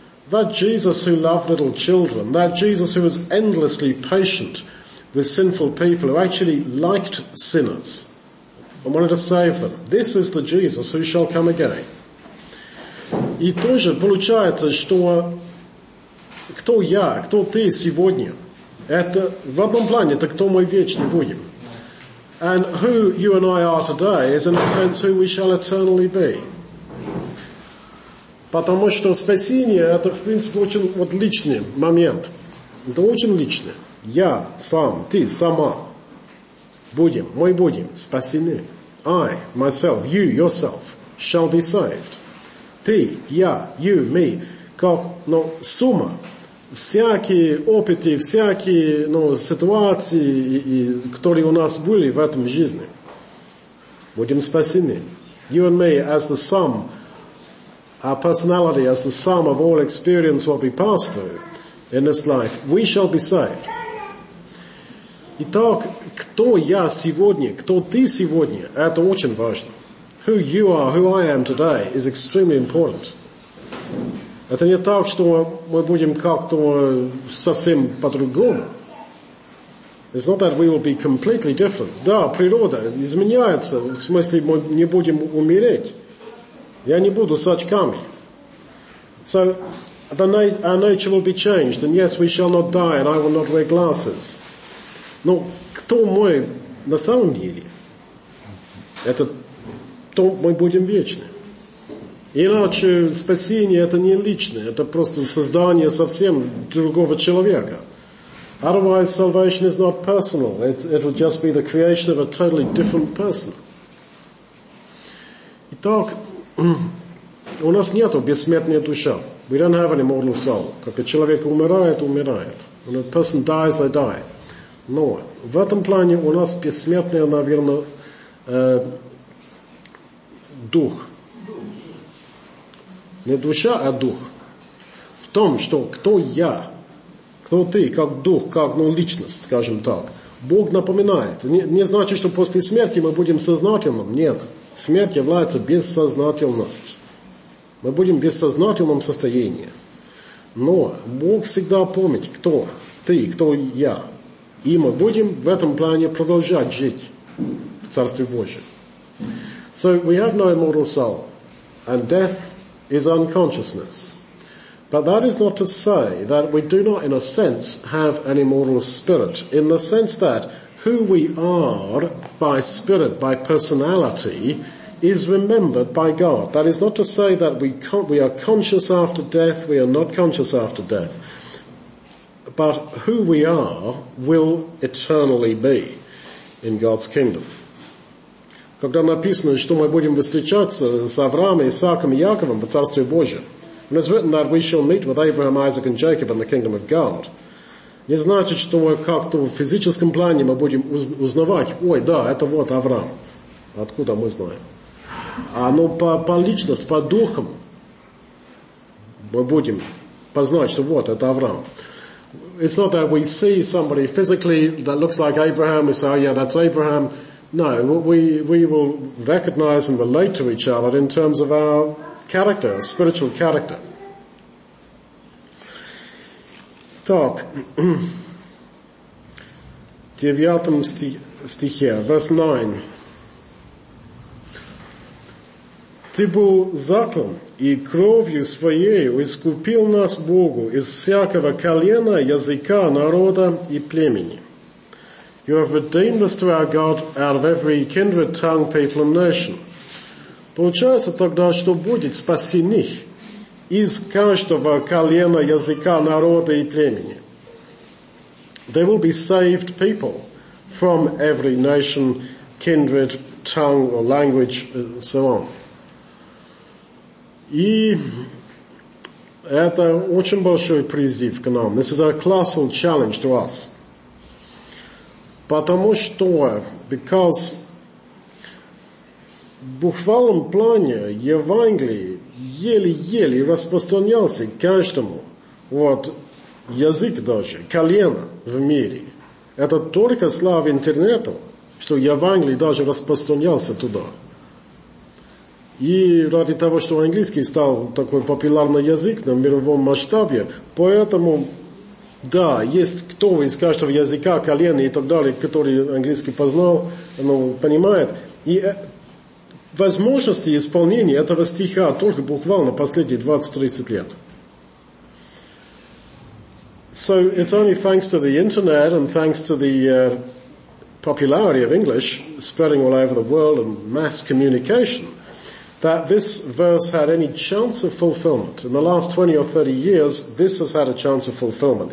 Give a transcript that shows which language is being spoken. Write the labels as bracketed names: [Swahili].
[English] That Jesus who loved little children, that Jesus who was endlessly patient with sinful people, who actually liked sinners and wanted to save them. This is the Jesus who shall come again. [Russian] И тоже получается, что кто я, кто ты сегодня, это в одном плане, это кто мы вечно будем. [English] And who you and I are today is in a sense who we shall eternally be. [Russian] Потому что спасение – это, в принципе, очень вот личный момент. Это очень личное. Я, сам, ты, сама. Будем, мы будем спасены. [English] I, myself, you, yourself, shall be saved. [Russian] Ты, я, [English] you, me. [Russian] Как, ну, сумма. Всякие опыты, всякие, ну, ситуации, которые у нас были в этом жизни. Будем спасены. [English] You and me as the sum. Our personality as the sum of all experience what we pass through in this life. We shall be saved. [Russian] Итак, кто я сегодня, кто ты сегодня, это очень важно. [English] Who you are, who I am today is extremely important. [Russian] Это не так, что мы будем как-то совсем по-другому. [English] It's not that we will be completely different. [Russian] Да, природа изменяется, в смысле мы не будем умереть. Я не буду с очками. [English] So, our nature will be changed. And yes, we shall not die, and I will not wear glasses. [Russian] Но кто мы на самом деле? Это то мы будем вечны. Иначе спасение это не личное, это просто создание совсем другого человека. [English] Otherwise, salvation is not personal. It will just be the creation of a totally different person. [Russian] Итак, у нас нету бессмертной души. [English] We don't have an immortal soul. [Russian] Как человек умирает, умирает. [English] When a person dies, they die. [Russian] Но в этом плане у нас бессмертный, наверное, дух. Не душа, а дух. В том, что кто я, кто ты, как дух, как ну, личность, скажем так. Бог напоминает. Не значит, что после смерти мы будем сознательным. Нет. Смерть является бессознательностью. Мы будем в бессознательном состоянии. Но Бог всегда помнит, кто ты, кто я. И мы будем в этом плане продолжать жить в Царстве Божьем. [English] So we have no immortal soul, and death is unconsciousness. But that is not to say that we do not, in a sense, have an immortal spirit, in the sense that who we are by spirit, by personality, is remembered by God. That is not to say that we are conscious after death, we are not conscious after death. But who we are will eternally be in God's kingdom. [Russian] Когда написано, что мы будем встречаться с Авраамом, Исааком и Яковом в Царстве Божьем. [English] When it's written that we shall meet with Abraham, Isaac and Jacob in the kingdom of God. [Russian] Не значит, что мы как-то в физическом плане мы будем узнавать, ой, да, это вот Авраам. Откуда мы знаем? А ну по личности, по духам мы будем познать, что вот это Авраам. [English] It's not that we see somebody physically that looks like Abraham, we say, oh yeah, that's Abraham. No, we will recognize and relate to each other in terms of our character, our spiritual character. [Russian] Так, девятом стихе, [English] verse 9. [Russian] Ты был заклан. И кровью своей искупил нас Богу из всякого колена, языка, народа и племени. [English] You have redeemed us to our God out of every kindred, tongue, people and nation. [Russian] Получается тогда, что будет спасены из каждого колена, языка, народа и племени. [English] There will be saved people from every nation, kindred, tongue or language and so on. [Russian] И это очень большой призыв к нам. [English] This is a colossal challenge to us. [Russian] Потому что, [English] because [Russian] в буквальном плане Евангелие еле-еле распространялся каждому. Вот, язык даже, колено в мире. Это только слава интернету, что Евангелие даже распространялся туда. И ради того, что английский стал такой популярный язык на мировом масштабе, поэтому, да, есть кто из каждого языка, колена и так далее, который английский познал, ну, понимает. И возможности исполнения этого стиха только буквально последние 20-30 лет. [English] So, it's only thanks to the internet and thanks to the popularity of English spreading all over the world and mass communication that this verse had any chance of fulfillment. In the last 20 or 30 years, this has had a chance of fulfillment.